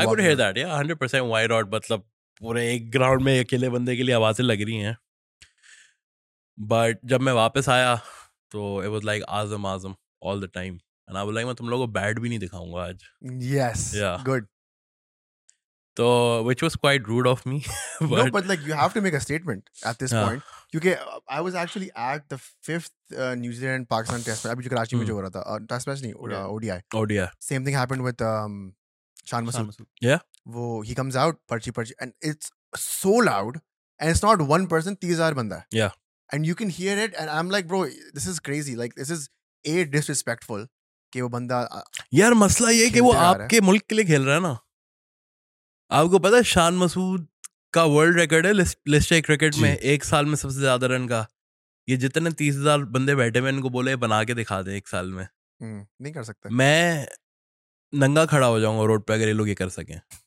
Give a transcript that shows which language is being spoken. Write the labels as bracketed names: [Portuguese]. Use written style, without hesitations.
[English] I could hear that, yeah. 100% why not? [Hindi] मतलब पूरे एक ग्राउंड में अकेले बंदे के लिए आवाजें लग रही हैं. [English] But [Hindi] जब मैं वापस आया, तो [English] it was like Azam, Azam, all the time. And I was like, [Hindi] मैं तुम लोगों को bad भी नहीं दिखाऊंगा आज. [English] Yes, yeah. good. So, which was quite rude of me. but, no, but like you have to make a statement at this point. क्योंकि I was actually at the 5th New Zealand Pakistan test match [Hindi] अभी जो कराची में जो हो रहा था [English] test match नहीं ODI same thing happened with Shaan Masood yeah वो he comes out parchi and it's so loud and it's not one person 30,000 बंदा yeah and you can hear it and I'm like bro this is crazy like this is a disrespectful [Hindi] कि वो बंदा यार मसला ये है कि वो आपके मुल्क के लिए खेल रहा है ना आपको पता है शान मसूद का वर्ल्ड रिकॉर्ड है लिस्ट ए क्रिकेट में एक साल में सबसे ज्यादा रन का ये जितने 30,000 बंदे बैठे हुए इनको बोले बना के दिखा दें एक साल में, नहीं कर सकते. मैं नंगा खड़ा हो जाऊंगा रोड पे अगर ये लोग ये कर सकें.